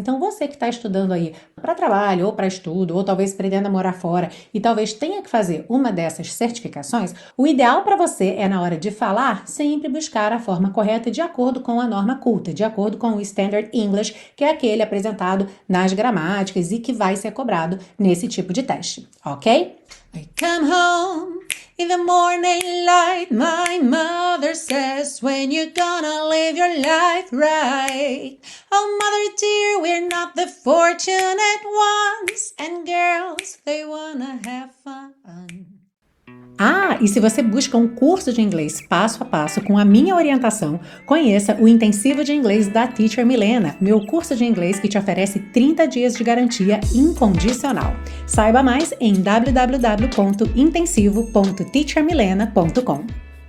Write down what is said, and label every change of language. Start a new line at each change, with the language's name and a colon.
Portuguese: Então, você que está estudando aí para trabalho ou para estudo, ou talvez aprendendo a morar fora e talvez tenha que fazer uma dessas certificações, o ideal para você é, na hora de falar, sempre buscar a forma correta de acordo com a norma culta, de acordo com o Standard English, que é aquele apresentado nas gramáticas e que vai ser cobrado nesse tipo de teste, ok?
English: I come home in the morning light, my mother says, when you gonna live your life right? Oh, mother dear, we're not the fortunate ones, and girls, they wanna have fun.
Portuguese: Ah, e se você busca um curso de inglês passo a passo com a minha orientação, conheça o Intensivo de Inglês da Teacher Milena, meu curso de inglês que te oferece 30 dias de garantia incondicional. Saiba mais em www.intensivo.teachermilena.com.